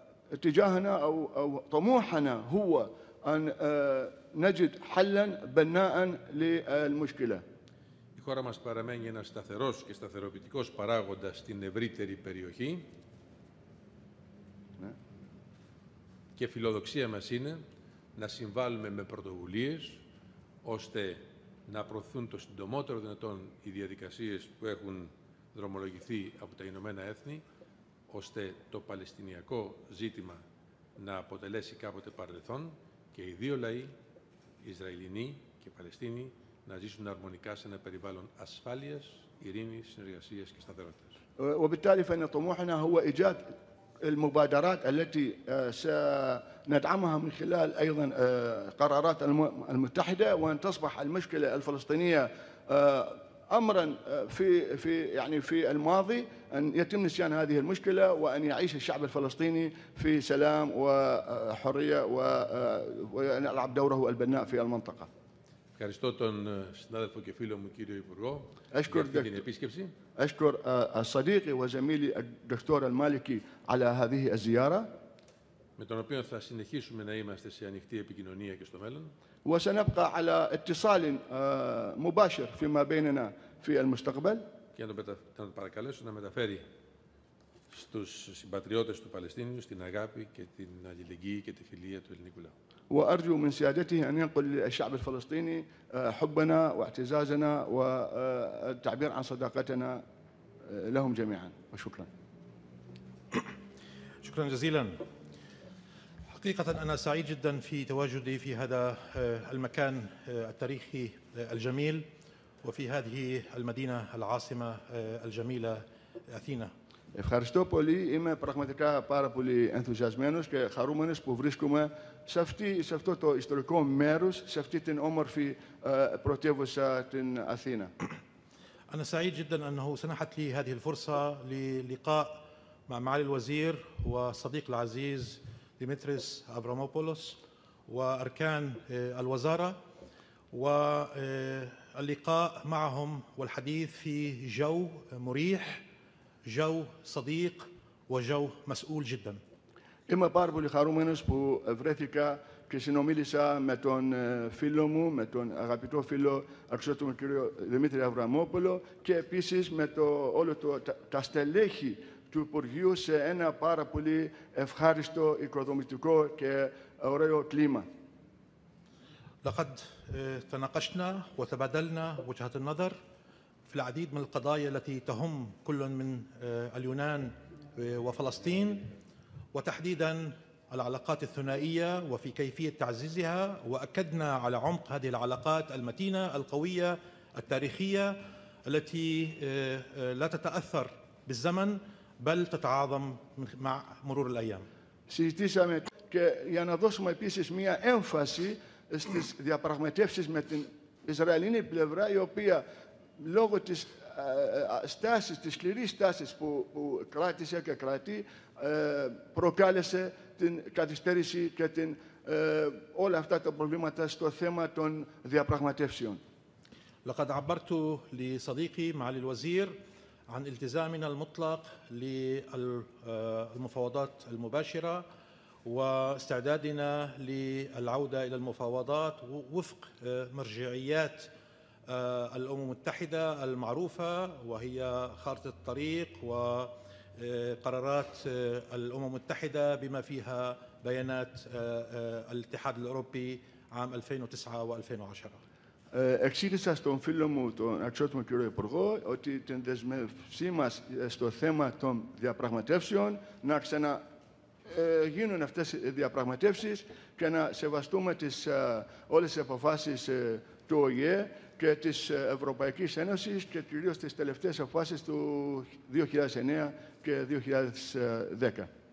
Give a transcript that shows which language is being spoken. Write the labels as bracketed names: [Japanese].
[Arabic] واتجاهنا او طموحنا هو أن نجد حلاً بناءً للمشكلة. [Greek] Η χώρα μας παραμένει ένας σταθερός και σταθεροποιητικός παράγοντας στην ευρύτερη περιοχή. Ναι. Και φιλοδοξία μας είναι να συμβάλλουμε με πρωτοβουλίες ώστε να προωθούν το συντομότερο δυνατόν οι διαδικασίες που έχουν δρομολογηθεί από τα Ηνωμένα Έθνη, ώστε το Παλαιστινιακό ζήτημα να αποτελέσει κάποτε παρελθόν και οι δύο λαοί, Ισραηλινοί και Παλαιστίνοι, να ζήσουν αρμονικά σε ένα περιβάλλον ασφάλειας, ειρήνης, συνεργασίας και σταθερότητας. [Arabic] وبالتالي فإن طموحنا هو إيجاد المبادرات التي سندعمها من خلال أيضا قرارات الأمم المتحدة وأن تصبح المشكلة الفلسطينية أمرا في يعني في الماضي أن يتم نسيان هذه المشكلة وأن يعيش الشعب الفلسطيني في سلام وحرية وأن يلعب دوره البناء في المنطقة. [Greek] Ευχαριστώ τον συνάδελφο και φίλο μου κύριο Υπουργό για την επίσκεψη. [Arabic] أشكر صديقي وزميلي الدكتور المالكي على هذه الزيارة. [Greek] Με τον οποίο θα συνεχίσουμε να είμαστε σε ανοιχτή επικοινωνία και στο μέλλον. [Arabic] وسنبقى على اتصال مباشر فيما بيننا في المستقبل. [Greek] Και να τον παρακαλέσω να μεταφέρει στους συμπατριώτες του Παλαιστίνιου στην αγάπη και την αλληλεγγύη και τη φιλία του ελληνικού λαού. [Arabic] وأرجو من سيادته أن ينقل للشعب الفلسطيني حبنا واعتزازنا والتعبير عن صداقتنا لهم جميعا وشكرا. شكرا جزيلا. حقيقة أنا سعيد جدا في تواجدي في هذا المكان التاريخي الجميل وفي هذه المدينة العاصمة الجميلة أثينا. [Greek] Ευχαριστώ πολύ. Είμαι πραγματικά πάρα πολύ ενθουσιασμένος και χαρούμενος που βρίσκομαι σε αυτό το ιστορικό μέρος, σε αυτή την όμορφη πρωτεύουσα την Αθήνα. [Arabic] Ανα σαΐδ جداً أنه سنحت لي هذه الفرصة للقاء مع معالي الوزير وصديق العزيز ديمتريس أبراموبولوس وأركان الوزارة واللقاء معهم والحديث في جو مريح جو صديق وجو مسؤول جدا. [Greek] إما باربولي خارومينوس بو افريثيكا και συνομίλησα με τον φίλο μου, με τον αγαπητό φίλο αξιότιμο κύριο Δημήτρη Αβραμόπουλο και επίσης με το, όλο το, τα στελέχη του Υπουργείου σε ένα πάρα πολύ ευχάριστο, οικοδομητικό και ωραίο κλίμα. [Arabic] لقد تناقشنا وتبادلنا وجهات النظر في العديد من القضايا التي تهم كل من اليونان وفلسطين وتحديدا العلاقات الثنائية وفي كيفية تعزيزها وأكدنا على عمق هذه العلاقات المتينة القوية التاريخية التي لا تتأثر بالزمن بل تتعاظم مع مرور الأيام. [Greek] Συζητήσαμε και για να δώσουμε επίσης μια έμφαση στις διαπραγματεύσεις με την Ισραηλινή πλευρά, η οποία λόγω της στάσης, της σκληρής στάσης που κράτησε και κρατεί, προκάλεσε την καθυστέρηση και την, όλα αυτά τα προβλήματα στο θέμα των διαπραγματεύσεων. [Arabic] لقد عبرت لصديقي معالي الوزير عن التزامنا المطلق للمفاوضات المباشرة واستعدادنا للعودة إلى المفاوضات وفق مرجعيات الأمم المتحدة المعروفة وهي خارطة الطريق وقرارات الأمم المتحدة بما فيها بيانات الاتحاد الأوروبي عام 2009 و2010. [Greek] Εξήγησα στον φίλο μου, τον αξιότιμο κύριο Υπουργό, ότι την δεσμευσή μας στο θέμα των διαπραγματεύσεων να ξανα γίνουν αυτές οι διαπραγματεύσεις και να σεβαστούμε τις, όλες τις αποφάσεις του ΟΗΕ και της Ευρωπαϊκής Ένωσης και κυρίως τις τελευταίες αποφάσεις του 2009 και 2010.